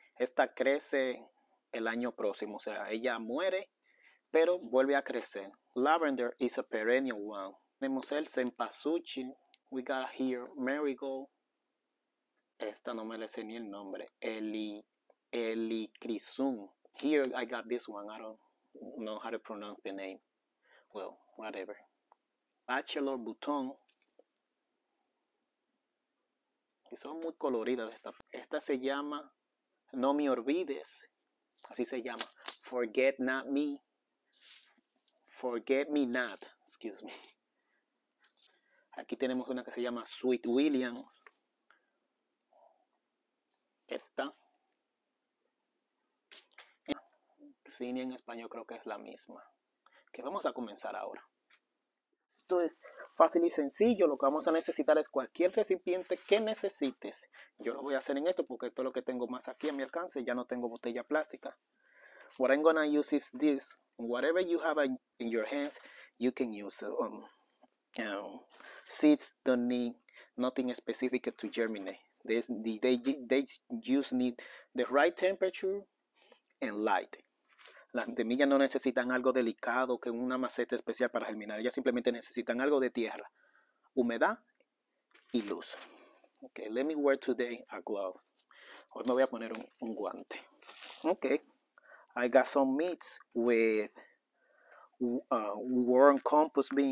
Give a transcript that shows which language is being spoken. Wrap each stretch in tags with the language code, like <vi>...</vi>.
<es>Esta crece el año próximo. O sea, ella muere, pero vuelve a crecer.</es> <en>Lavender is a perennial one.</en> <es>Tenemos el cempasúchil.</es> <en>We got here marigold.</en> <es>Esta no me le sé ni el nombre.</es> <en>Elicrisum. Here I got this one. I don't know how to pronounce the name. Well, whatever. Bachelor button.</en> <es>Y son muy coloridas estas. Esta se llama No me olvides. Así se llama.</es> <en>Forget not me. Forget me not, excuse me.</en> <es>Aquí tenemos una que se llama Sweet Williams. Esta. cine en español creo que es la misma. Que vamos a comenzar ahora. Entonces, fácil y sencillo, lo que vamos a necesitar es cualquier recipiente que necesites. Yo lo voy a hacer en esto porque esto es lo que tengo más aquí a mi alcance, ya no tengo botella plástica.</es> <en>What I'm gonna use is this. Whatever you have in your hands, you can use it. Seeds don't need nothing specific to germinate. They just need the right temperature and light.</en> <es>Las semillas no necesitan algo delicado que una maceta especial para germinar. Ellas simplemente necesitan algo de tierra, humedad y luz.</es> <en>Okay, let me wear today a glove.</en> <es>Hoy me voy a poner un guante.</es> <en>Okay, I got some meats with worm compost.</en>